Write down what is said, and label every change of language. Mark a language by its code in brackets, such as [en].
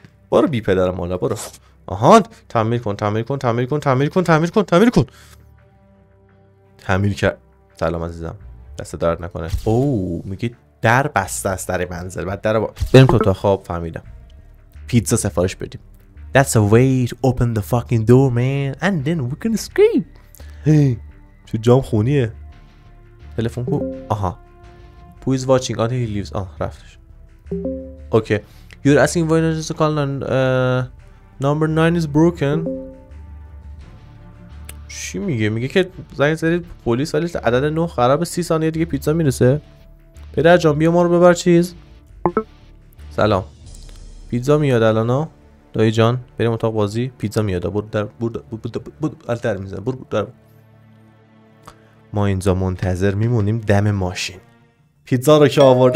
[fa] برو بی پدرم حالا برو. آهان تعمیر کن، تعمیر کن، تعمیر کن، تعمیر کن، تعمیر کن، تعمیر کن، تعمیر کرد. سلام عزیزم، دست درد نکنه. اوه میگه در بسته است در منزل. بعد در بریم تو خواب. فهمیدم، پیتزا سفارش بدیم. [en] That's a way to open the fucking door man and then we can escape. [fa] هی چه جام خونیه. تلفن کو. آها [en] who is watching until he leaves. [fa] آه رفتش. [en] Okay you're asking why not just to call number 9 is broken. [fa] چی میگه؟ میگه که زنگ زدید پلیس ولی عدد 9 خرابه. 30 ثانیه دیگه پیتزا میرسه. پدر جان بیا ما رو ببر چیز. سلام پیتزا میاد الان ها دایی جان، بریم اتاق بازی. پیتزا میاد. برو در برو در میزن. برو در. ما اینجا منتظر میمونیم دم ماشین. پیتزا رو که آورد.